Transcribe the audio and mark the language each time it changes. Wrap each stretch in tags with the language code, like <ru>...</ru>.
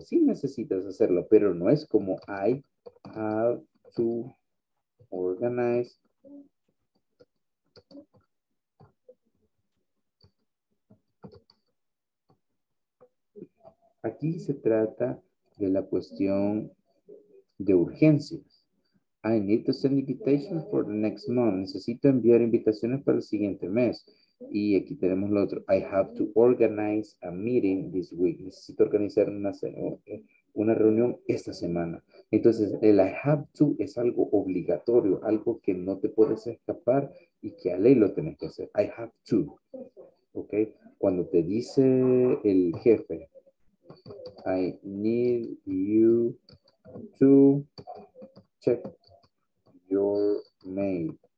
<es>Sí necesitas hacerlo, pero no es como</es> <en>I have to organize</en> <es>. Aquí se trata de la cuestión de urgencias.</es> <en>I need to send invitations for the next month.</en> <es>Necesito enviar invitaciones para el siguiente mes. Y aquí tenemos lo otro.</es> <en>I have to organize a meeting this week.</en> <es>Necesito organizar una reunión esta semana. Entonces, el I have to es algo obligatorio, algo que no te puedes escapar y que a ley lo tienes que hacer.</es> <en>I have to. ¿Ok?</en> <es>Cuando te dice el jefe,</es> <en>I need you to check your mail.</en>